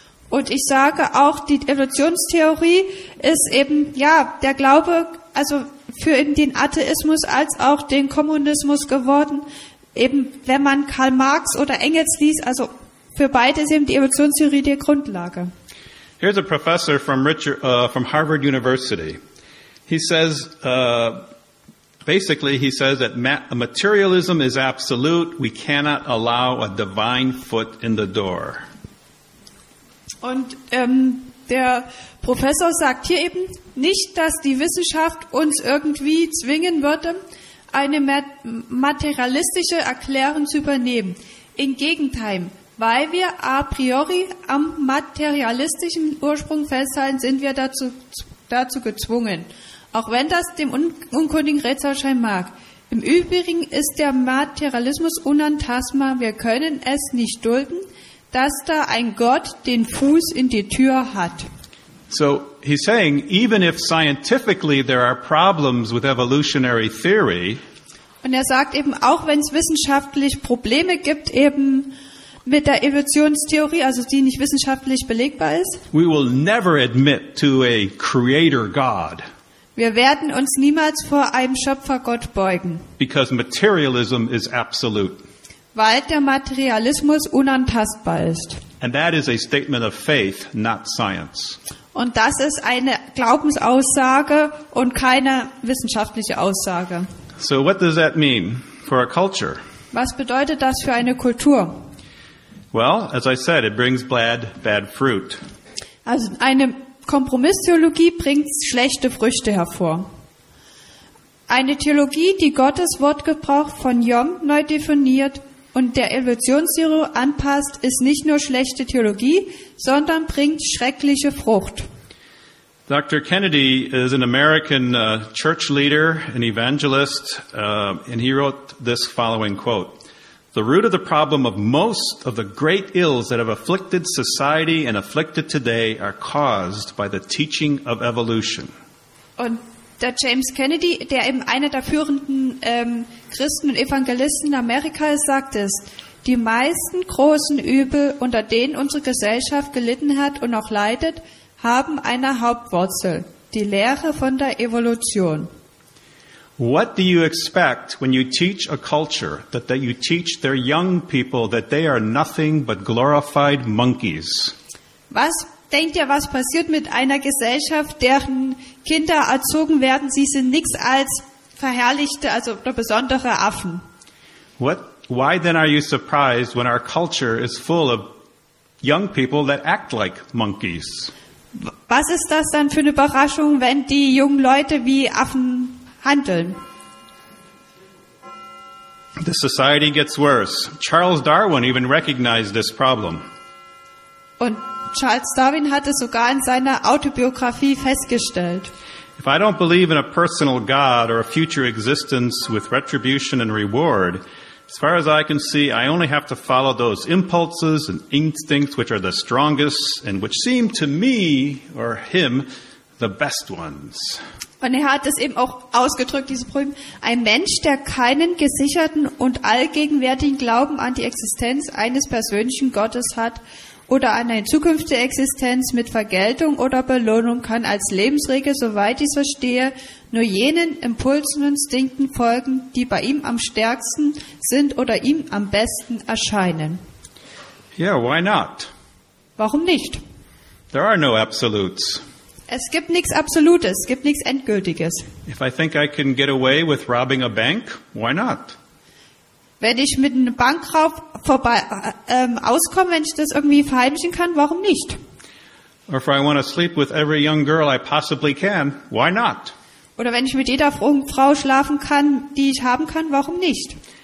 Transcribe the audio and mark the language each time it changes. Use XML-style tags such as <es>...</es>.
<de>Und ich sage auch, die Evolutionstheorie ist eben, ja, der Glaube, also für eben den Atheismus als auch den Kommunismus geworden. Eben, wenn man Karl Marx oder Engels liest, also für beide ist eben die Evolutionstheorie die Grundlage.</de> <en>Here's a professor from Harvard University. He says, basically, he says that materialism is absolute. We cannot allow a divine foot in the door.</en> <de>Und der Professor sagt hier eben nicht, dass die Wissenschaft uns irgendwie zwingen würde, eine materialistische Erklärung zu übernehmen. Im Gegenteil, weil wir a priori am materialistischen Ursprung festhalten, sind wir dazu gezwungen. Auch wenn das dem unkundigen Rätsel scheinen mag. Im Übrigen ist der Materialismus unantastbar. Wir können es nicht dulden, dass da ein Gott den Fuß in die Tür hat.</de> <en>So he's saying, even if scientifically there are problems with evolutionary theory.</en> <de>Und er sagt eben, auch wenn es wissenschaftlich Probleme gibt, eben mit der Evolutionstheorie, also die nicht wissenschaftlich belegbar ist.</de> <en>We will never admit to a creator God.</en> <de>Wir werden uns niemals vor einem Schöpfergott beugen.</de> <en>Because materialism is absolute.</en> <de>Weil der Materialismus unantastbar ist.</de> <en>And that is a statement of faith, not science.</en> <de>Und das ist eine Glaubensaussage und keine wissenschaftliche Aussage.</de> <en>So what does that mean for a culture?</en> <de>Was bedeutet das für eine Kultur?</de> <en>Well, as I said, it brings bad fruit.</en> <de>Also eine Kompromisstheologie bringt schlechte Früchte hervor. Eine Theologie, die Gottes Wortgebrauch von Jom neu definiert und der Evolutionstheorie anpasst, ist nicht nur schlechte Theologie, sondern bringt schreckliche Frucht.</de> <en>Dr. Kennedy is an American church leader, an evangelist, and he wrote this following quote. The root of the problem of most of the great ills that have afflicted society and afflicted today are caused by the teaching of evolution.</en> <de>Und der James Kennedy, der eben einer der führenden Christen und Evangelisten in Amerika ist, sagt es, die meisten großen Übel, unter denen unsere Gesellschaft gelitten hat und noch leidet, haben eine Hauptwurzel, die Lehre von der Evolution.</de> <en>What do you expect when you teach a culture that you teach their young people that they are nothing but glorified monkeys?</en> <de>Was denkt ihr, was passiert mit einer Gesellschaft, deren Kinder erzogen werden, sie sind nichts als verherrlichte, also besondere Affen?</de> <en>Why then are you surprised when our culture is full of young people that act like monkeys?</en> <de>Was ist das dann für eine Überraschung, wenn die jungen Leute wie Affen handeln?</de> <en>The society gets worse. Charles Darwin even recognized this problem.</en> <de>Und Charles Darwin hat es sogar in seiner Autobiografie festgestellt.</de> <en>If I don't believe in a personal God or a future existence with retribution and reward, as far as I can see, I only have to follow those impulses and instincts which are the strongest and which seem to me or him the best ones.</en> <de>Und er hat es eben auch ausgedrückt, diese Probleme. Ein Mensch, der keinen gesicherten und allgegenwärtigen Glauben an die Existenz eines persönlichen Gottes hat oder an eine zukünftige Existenz mit Vergeltung oder Belohnung, kann als Lebensregel, soweit ich es verstehe, nur jenen Impulsen und Instinkten folgen, die bei ihm am stärksten sind oder ihm am besten erscheinen.</de> <en>Yeah, why not?</en> <de>Warum nicht?</de> <en>There are no absolutes.</en> <de>Es gibt nichts Absolutes, es gibt nichts Endgültiges.</de> <en>If I think I can get away with robbing a bank, why not?</en> <de>Wenn ich mit einem Bankraub vorbei auskomme, wenn ich das irgendwie verheimlichen kann, warum nicht?</de> <en>Or if I want to sleep with every young girl I possibly can, why not?</en> <de>Oder wenn ich mit jeder Frau schlafen kann, die ich haben kann, warum nicht?</de>